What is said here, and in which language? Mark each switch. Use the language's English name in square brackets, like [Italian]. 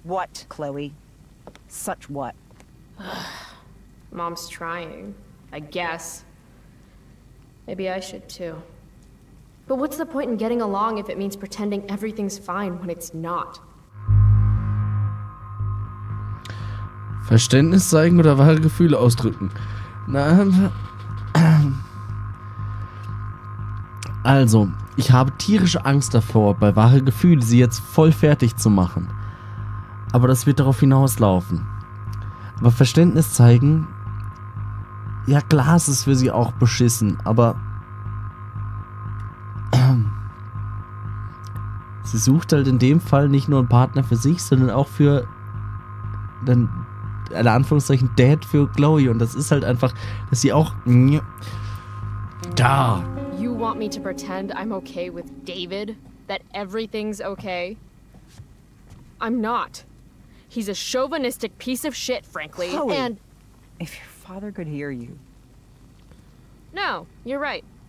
[English] What, Chloe? Such what? Mom's trying, I guess. Maybe I should too. But what's the point in getting along if it means pretending everything's fine when it's not? [German] Verständnis zeigen oder wahre Gefühle ausdrücken? Na, also, ich habe tierische Angst davor, bei wahre Gefühle sie jetzt voll fertig zu machen. Aber das wird darauf hinauslaufen. Aber Verständnis zeigen? Ja, klar, es ist für sie auch beschissen, aber... Sie sucht halt in dem Fall nicht nur einen Partner für sich, sondern auch für den, in Anführungszeichen, Dad für Chloe. Und das ist halt einfach, dass sie auch... Da! [English] You want me to pretend I'm okay with David? That everything's okay? I'm not. He's a chauvinistic piece of shit, frankly, Chloe, and... If your father could hear you... No, you're right.